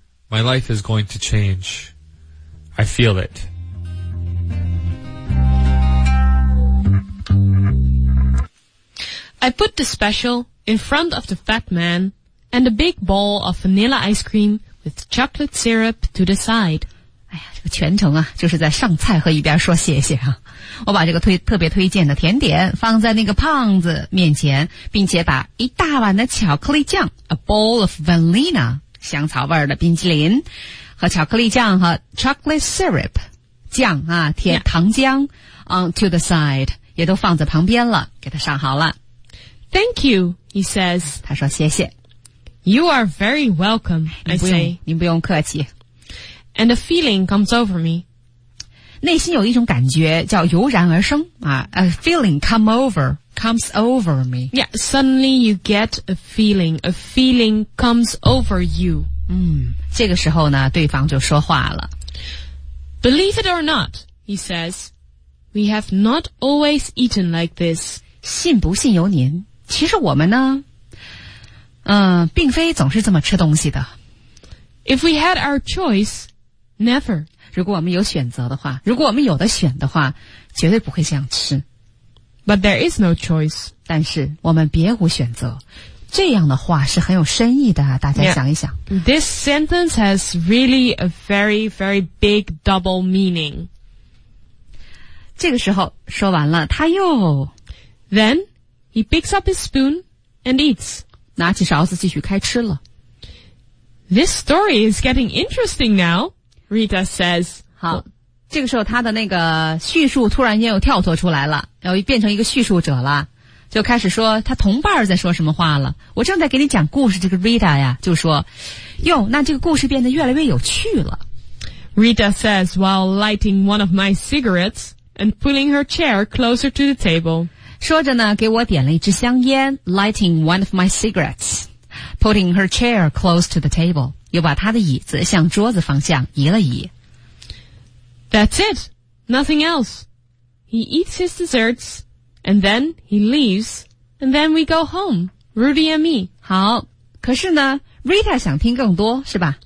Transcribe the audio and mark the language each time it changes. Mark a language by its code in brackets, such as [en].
[en] My life is going to change. I feel it. I put the special in front of the fat man and a big bowl of vanilla ice cream with chocolate syrup to the side. [zh] 哎呀，这个全程啊，就是在上菜和一边说谢谢啊。我把这个特别推荐的甜点放在那个胖子面前，并且把一大碗的巧克力酱 , [en] a bowl of vanilla, [zh] 香草味的冰淇淋和巧克力酱和 [en] chocolate syrup, [zh] 酱啊甜、 yeah. 糖浆 [en] onto the side, [zh] 也都放在旁边了，给他上好了。 [en] Thank you, he says. [zh] 他说谢谢。 [en] You are very welcome, I say. [zh] 您不用客气。 [en] And a feeling comes over me. [zh] 内心有一种感觉叫油然而生。 [en] A feeling comes over me. Yeah, suddenly you get a feeling. A feeling comes over you. [zh] 这个时候呢，对方就说话了。 [en] Believe it or not, he says, we have not always eaten like this. [zh] 信不信由您，其实我们呢，并非总是这么吃东西的。 [en] If we had our choice, never. [zh] 如果我们有选择的话，如果我们有的选的话，绝对不会这样吃。 [en] But there is no choice. [zh] 但是我们别无选择。这样的话是很有深意的，大家想一想。 Yeah. [en] This sentence has really a very, very big double meaning. [zh] 这个时候说完了，他又 [en] Then he picks up his spoon and eats. [zh] 拿起勺子继续开吃了。 [en] This story is getting interesting now, Rita says. [zh] 好，这个时候他的那个叙述突然间又跳脱出来了，又变成一个叙述者了。就开始说他同伴在说什么话了。我正在给你讲故事，这个 Rita 呀就说，哟，那这个故事变得越来越有趣了。 [en] Rita says while lighting one of my cigarettes and pulling her chair closer to the table. [zh] 说着呢给我点了一支香烟， [en] lighting one of my cigarettes, putting her chair close to the table, [zh] 又把她的椅子向桌子方向移了移。 [en] That's it, nothing else. He eats his desserts,And then he leaves, and then we go home, Rudy and me. [zh] 好，可是呢 ，Rita 想听更多，是吧